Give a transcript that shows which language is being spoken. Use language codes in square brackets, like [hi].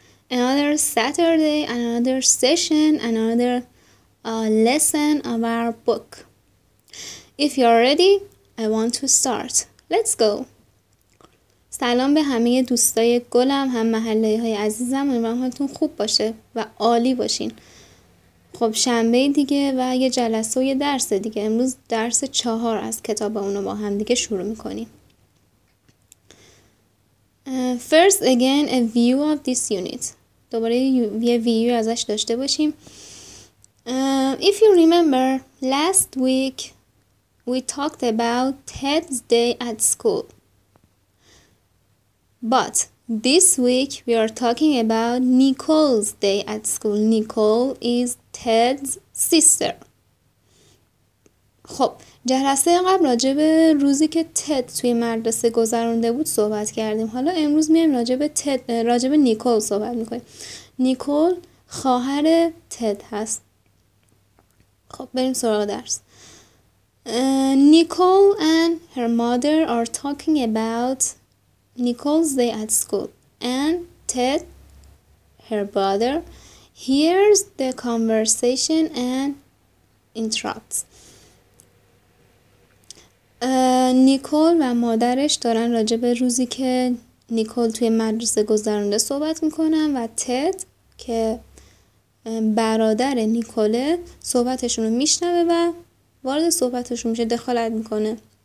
[en] Another Saturday, another session, another lesson of our book. If you're ready, I want to start. Let's go. [fa] سلام به همه دوستای گلم، هم محله های عزیزم. امیدوارم حالتون خوب باشه و عالی باشین. خب شنبه دیگه و یه جلسه و یه درس دیگه. امروز درس 4 از کتاب اونو با هم دیگه شروع میکنیم. [en] First, again, a view of this unit. [fa] دوباره یه ویو ازش داشته باشیم. [en] If you remember, last week we talked about Ted's day at school. But this week we are talking about Nicole's day at school. Nicole is Ted's sister. [fa] خب جلسه قبل راجع به روزی که تد توی مدرسه گذرونده بود صحبت کردیم. حالا امروز میایم راجع به نیکول صحبت میکنیم. نیکول خواهر تد هست. خب بریم سراغ درس. [en] Nicole and her mother are talking about Nicole's day at school and Ted, her brother, hears the conversation and interrupts. [fa] نیکول و مادرش دارن راجع به روزی که نیکول توی مدرسه گذرونده صحبت میکنن و تد که برادر نیکوله صحبتشون رو میشنوه و وارد صحبتشون میشه، دخالت میکنه.